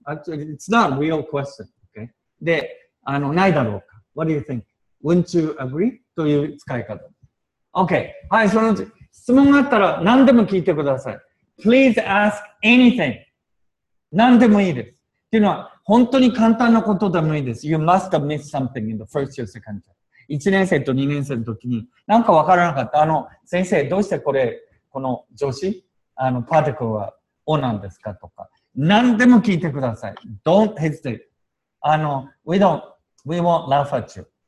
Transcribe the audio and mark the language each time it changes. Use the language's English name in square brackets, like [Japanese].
[English] Actually, it's not a real question. Okay? [Japanese] で、ないだろうか。 [English] What do you think? Wouldn't you agree? [Japanese] という使い方。 [English] Okay. [Japanese] はい、その次。質問があったら何でも聞いてください。 [English] Please ask anything. [Japanese] 何でもいいです。っていうのは本当に簡単なことでもいいです。 [English] You must have missed something in the first year, second year. [Japanese] 1年生と2年生の時に何か分からなかった。先生、どうしてこれ、この助詞、パーティクルはOなんですかとか。何でも聞いてください。 [English] Don't hesitate. We won't laugh at you.